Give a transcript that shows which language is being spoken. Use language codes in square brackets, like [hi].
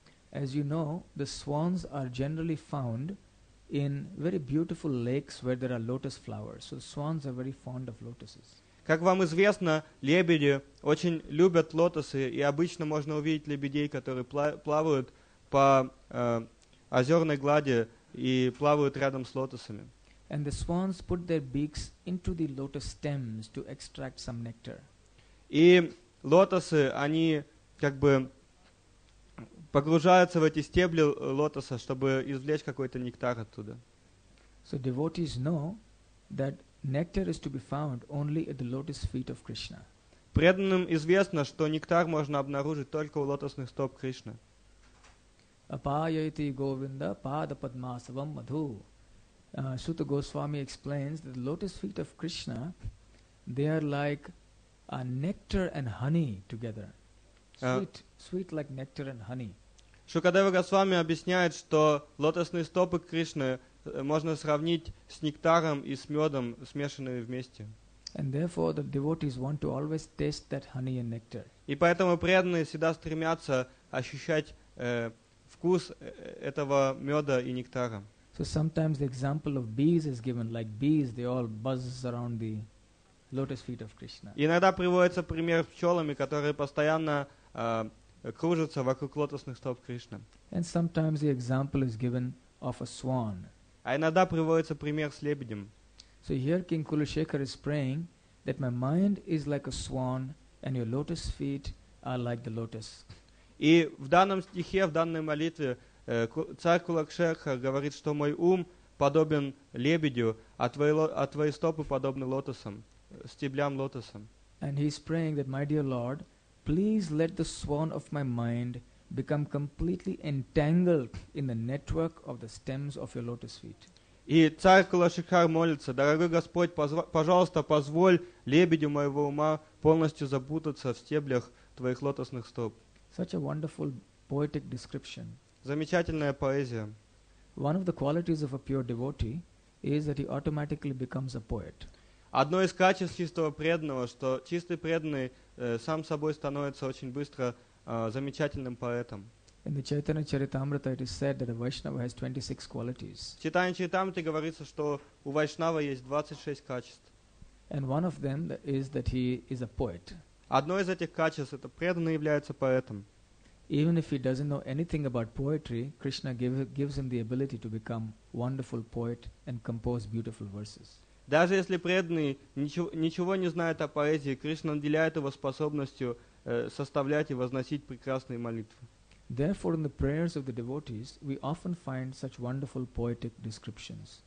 [en] As you know, the swans are generally found in very beautiful lakes where there are lotus flowers. So swans are very fond of lotuses. [ru] Как вам известно, лебеди очень любят лотосы, и обычно можно увидеть лебедей, которые плавают по озерной глади и плавают рядом с лотосами. [en] And the swans put their beaks into the lotus stems to extract some nectar. [ru] И лотосы, они как бы погружаются в эти стебли лотоса, чтобы извлечь какой-то нектар оттуда. [en] So devotees know that nectar is to be found only at the lotus feet of Krishna. [ru] Преданным известно, что нектар можно обнаружить только у лотосных стоп Кришны. [sa] Апаяйти Говинда пада падмасавам мадху. [en] Сута Госвами explains that the lotus feet of Krishna, they are like a nectar and honey together. Sweet like nectar and honey. [ru] Шукадева Госвами объясняет, что лотосные стопы Кришны можно сравнить с нектаром и с медом, смешанными вместе. [en] And therefore the devotees want to always taste that honey and nectar. [ru] И поэтому преданные всегда стремятся ощущать вкус этого меда и нектара. [en] So sometimes the example of bees is given, like bees, they all buzz around the lotus feet of Krishna. [ru] Иногда приводится пример пчелами, которые постоянно кружится вокруг лотосных стоп Кришны. [en] And sometimes the example is given of a swan. [ru] А иногда приводится пример с лебедем. [en] So here King Kulashekhar is praying that my mind is like a swan and your lotus feet are like the lotus. [ru] И в данном стихе, в данной молитве царь Кулашекхар говорит, что мой ум подобен лебедю, а твои стопы подобны лотосам, стеблям лотосам. [en] And he's praying that, my dear Lord, please let the swan of my mind become completely entangled in the network of the stems of your lotus feet. [ru] И царь Кулашихар молится: дорогой Господь, пожалуйста, позволь лебедю моего ума полностью запутаться в стеблях твоих лотосных стоп. [en] Such a wonderful poetic description. [ru] Замечательная поэзия. [en] One of the qualities of a pure devotee is that he automatically becomes a poet. [ru] Одно из качеств чистого преданного, что чистый преданный сам собой становится очень быстро замечательным поэтом. [en] In the Chaitanya Charitamrita it is said that a Vaishnava has 26 qualities. [ru] В Чайтанья Чаритамрите говорится, что у Вайшнава есть 26 качеств. [en] And one of them is that he is a poet. [ru] Одно из этих качеств — это преданный является поэтом. [en] Even if he doesn't know anything about poetry, Krishna gives him the ability to become a wonderful poet and compose beautiful verses. [ru] Даже если преданный ничего не знает о поэзии, Кришна наделяет его способностью составлять и возносить прекрасные молитвы. [en] Therefore, in the prayers of the devotees, we often find such wonderful poetic descriptions.